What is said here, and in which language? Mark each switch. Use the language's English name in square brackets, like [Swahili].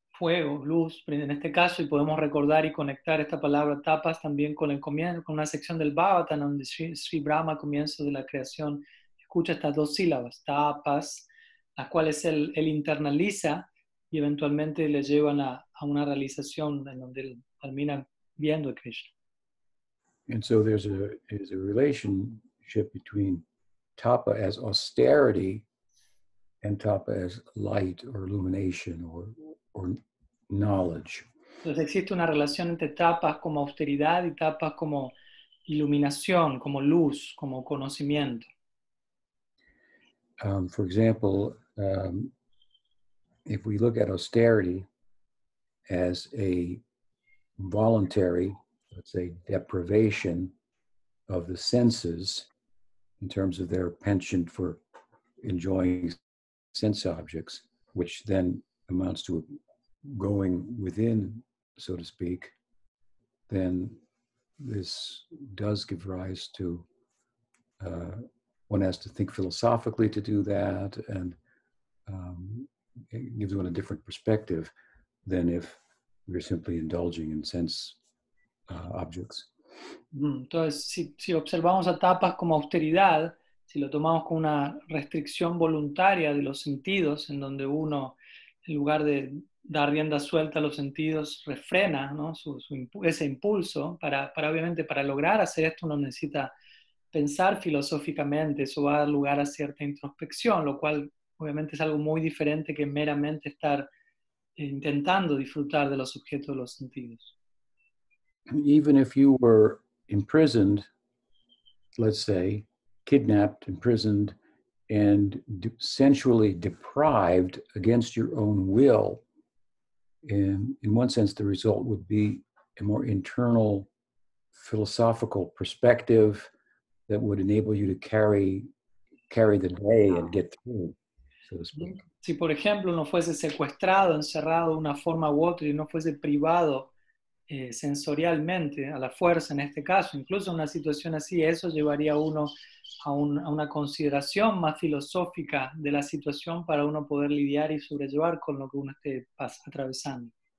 [Spanish] Fuego, luz, en este caso, y podemos recordar y conectar esta palabra tapas también con el comienzo, con una sección del Bhagavatam donde Sri Brahma, comienzo de la creación, escucha estas dos sílabas, tapas, las cuales él internaliza y eventualmente le llevan a una realización en donde él termina viendo a Krishna. [English] And so there's a relationship between tapa as austerity and tapa as light or illumination or knowledge. [Spanish] Entonces existe una relación entre tapas como austeridad y tapas como iluminación, como luz, como conocimiento. [English] For example, if we look at austerity as a voluntary, let's say, deprivation of the senses in terms of their penchant for enjoying sense objects, which then amounts to going within, so to speak, then this does give rise to, one has to think philosophically to do that, and it gives one a different perspective than if we're simply indulging in sense objects. [Spanish] Entonces, si observamos a tapas como austeridad, si lo tomamos como una restricción voluntaria de los sentidos, en donde uno, en lugar de dar rienda suelta a los sentidos, refrena, ¿no? ese impulso, para obviamente para lograr hacer esto uno necesita pensar filosóficamente, eso va a dar lugar a cierta introspección, lo cual obviamente es algo muy diferente que meramente estar intentando disfrutar de los objetos de los sentidos. [English] Even if you were imprisoned, let's say, kidnapped, imprisoned, and sensually deprived against your own will in one sense, the result would be a more internal philosophical perspective that would enable you to carry the day and get through, so to speak. [Spanish] Si, por ejemplo, no fuese secuestrado, encerrado de una forma u otra y no fuese privado sensorialmente, a la fuerza en este caso, incluso una situación así, eso llevaría a uno a una consideración más filosófica de la situación para uno poder lidiar y sobrellevar con lo que uno esté atravesando.